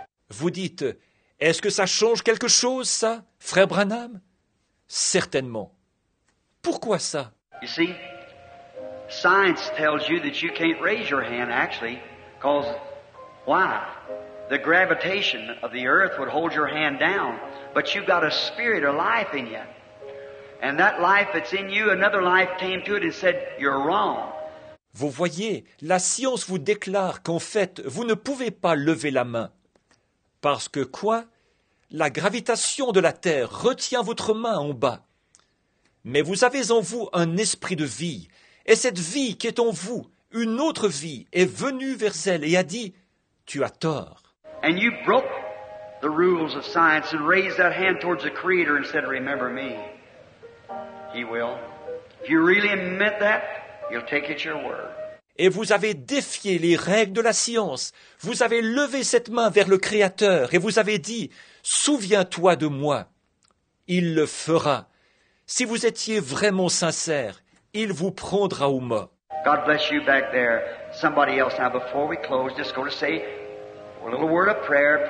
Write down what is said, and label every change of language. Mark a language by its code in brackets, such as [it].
[fr] Vous dites, est-ce que ça change quelque chose, ça, frère Branham? Certainement. Pourquoi ça? [en] You see, science tells you that you can't raise your hand, actually, because why? The gravitation of the earth would hold your hand down, but you've got a spirit of life in you. And that life that's in you, another life came to it and said, you're wrong. [fr] Vous voyez, la science vous déclare qu'en fait, vous ne pouvez pas lever la main. Parce que quoi? La gravitation de la terre retient votre main en bas. Mais vous avez en vous un esprit de vie, et cette vie qui est en vous, une autre vie, est venue vers elle et a dit, tu as tort. [en] And you broke the rules of science and raised that hand towards the Creator and said, remember me. He will. If you really admit that, you'll take it your word. [fr] Et vous avez défié les règles de la science. Vous avez levé cette main vers le Créateur et vous avez dit, « Souviens-toi de moi. » Il le fera. Si vous étiez vraiment sincère, il vous prendra au mot. [en] God bless you back there. Somebody else, now before we close, just go to say a little word of prayer.